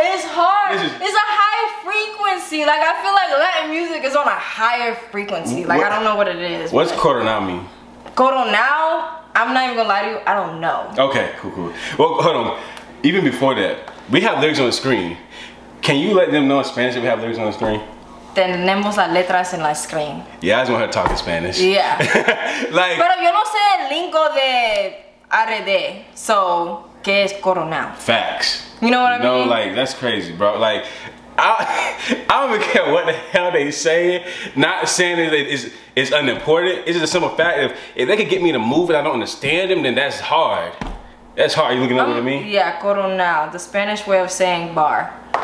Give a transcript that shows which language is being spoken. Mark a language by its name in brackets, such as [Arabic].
[English] It's hard. It's a high frequency. Like, I feel like Latin music is on a higher frequency. Like, what? I don't know what it is. What's Coronao mean? Coronao? I'm not even gonna lie to you, I don't know. Okay, cool. Well, hold on. Even before that, we have lyrics on the screen. Can you let them know in Spanish if we have lyrics on the screen? [Spanish] Tenemos las letras en la screen. [English] Yeah, I just want her to talk in Spanish. Yeah. Like, [Spanish] pero yo no sé el lingo de RD, so, ¿qué es Coronao? [English] Facts. You know what I mean? No, like, that's crazy, bro. Like, I don't even care what the hell they say. Not saying that it's unimportant. It's just a simple fact. If they could get me to move and I don't understand them, then that's hard. That's hard. You looking at what I mean? Yeah, Coronao, the Spanish way of saying bar.